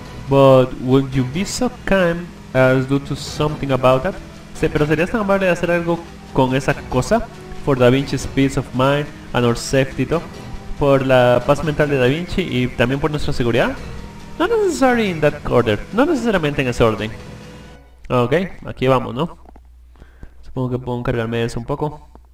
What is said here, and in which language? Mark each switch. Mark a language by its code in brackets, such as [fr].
[en] But would you be so kind as to do something about that? [es] Sí, pero ¿serías tan amable de hacer algo con esa cosa? [en] For Da Vinci's peace of mind and our safety, though. [es] Por la paz mental de Da Vinci y también por nuestra seguridad. [en] Not necessarily in that order. [es] No necesariamente en ese orden. Ok, aquí vamos, ¿no? Supongo que puedo encargarme de eso un poco.